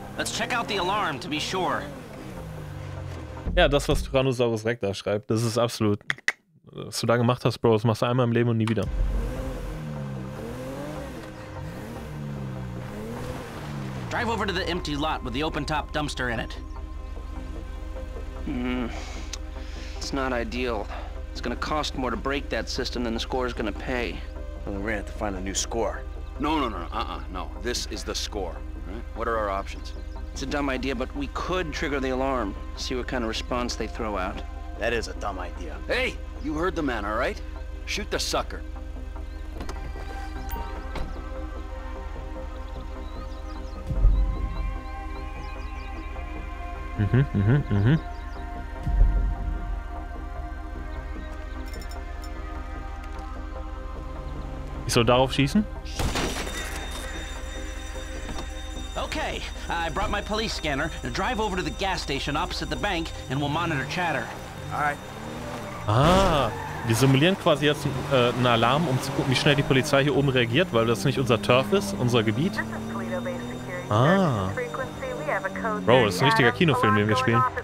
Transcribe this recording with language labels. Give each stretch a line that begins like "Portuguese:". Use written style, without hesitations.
English: Let's check out the alarm to be sure.
German: Ja, das, was Tyrannosaurus Rex da schreibt, das ist absolut. Was du da gemacht hast, Bro, das machst du einmal im Leben und nie wieder.
English: Drive over to the empty lot with the open top dumpster in it. It's not ideal. It's gonna cost more to break that system than the score is gonna pay. Well, then we're gonna have to find a new score. No. This is the score. Right? What are our options? It's a dumb idea, but we could trigger the alarm. See what kind of response they throw out. That is a dumb idea. Hey! You heard the man, all right? Shoot the sucker.
German: Ich soll darauf schießen?
English: Okay, I brought my police scanner. Drive over to the gas station opposite the bank and we'll monitor chatter. All right.
German: Ah, wir simulieren quasi jetzt einen Alarm, um zu gucken, wie schnell die Polizei hier oben reagiert, weil das nicht unser Turf ist, unser Gebiet. Ah. Bro, das ist ein richtiger Kinofilm, den wir spielen.